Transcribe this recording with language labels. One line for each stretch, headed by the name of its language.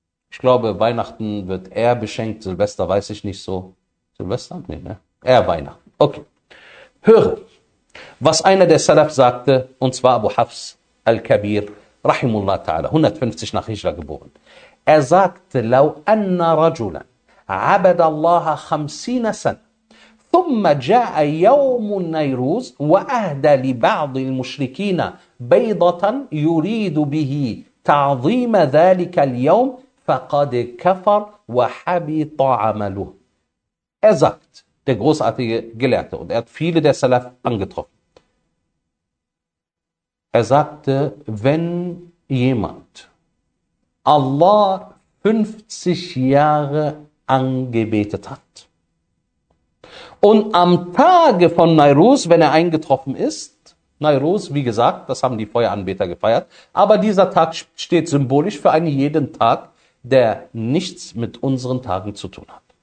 German: Ich glaube, Weihnachten wird eher beschenkt, Silvester weiß ich nicht so. Silvester? Nee, ne? Eher Weihnachten. Okay. Höre, was einer der Salaf sagte, und zwar Abu Hafs al-Kabir, Rahimullah ta'ala, 150 nach Hijra geboren. Er sagte,
Arabic: لو أن رجلا عبد الله 50 سنة ثم جاء يوم النيروز وأهدى لبعض المشركين بيضة يريد به تعظيم ذلك اليوم فقد كفر وحبط عمله.
German: Er sagt, der großartige Gelehrte, und er hat viele der Salaf angetroffen. Er sagte, wenn jemand Allah 50 Jahre angebetet hat und am Tage von Nairuz, wenn er eingetroffen ist, Nairuz, wie gesagt, das haben die Feueranbeter gefeiert, aber dieser Tag steht symbolisch für einen jeden Tag, der nichts mit unseren Tagen zu tun hat.